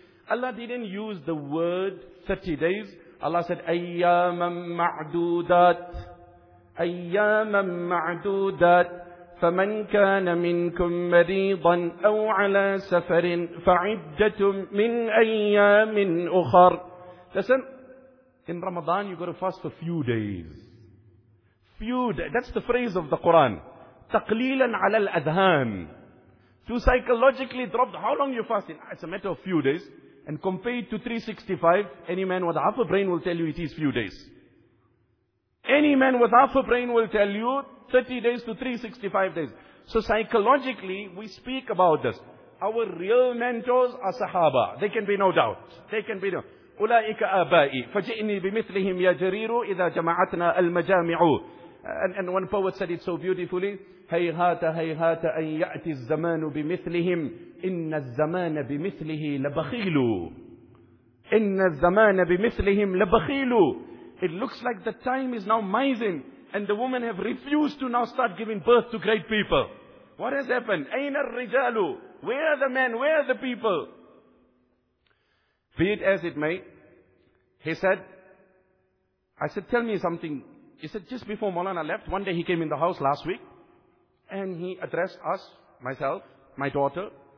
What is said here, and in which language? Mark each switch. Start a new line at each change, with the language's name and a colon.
English: Allah didn't use the word 30 days. Allah said,
Arabic: أَيَّامًا مَعْدُودَاتْ أَيَّامًا مَعْدُودَاتْ فَمَنْ كَانَ مِنْكُمْ مَرِيضًا أَوْ عَلَى سَفَرٍ فَعِدَّةٌ مِنْ أَيَّامٍ أُخَرْ
English: Listen, in Ramadan you got to fast for few days. Few days, that's the phrase of the Quran.
Arabic: تَقْلِيلًا عَلَى الْأَذْهَانِ
English: To psychologically drop, how long you fasting? It's a matter of few days. And compared to 365, any man with half a brain will tell you it is few days. Any man with half a brain will tell you 30 days to 365 days. So psychologically, we speak about this. Our real mentors are Sahaba. They can be no doubt. They can be no doubt.
Arabic: أُولَٰئِكَ آبَائِي فَجِئْنِي بِمِثْلِهِمْ يَا جَرِيرُ إِذَا جَمَعَتْنَا الْمَجَامِعُ
English: And one poet said it so beautifully.
Arabic: هَيْهَاتَ هَيْهَاتَ أَنْ يَأْتِ الزَّمَانُ بِمِثْلِهِمْ إِنَّ الزَّمَانَ بِمِثْلِهِ لَبَخِيلُ إِنَّ الزَّمَانَ بِمِثْلِهِمْ لَبَخِيلُ
English: It looks like the time is now mizen. And the women have refused to now start giving birth to great people. What has happened?
Arabic: أَيْنَ الرِّجَالُ
English: Where are the men? Where are the people? Be it as it may, he said, I said, tell me something. He said, just before Maulana left, one day he came in the house last week, and he addressed us, myself, my daughter,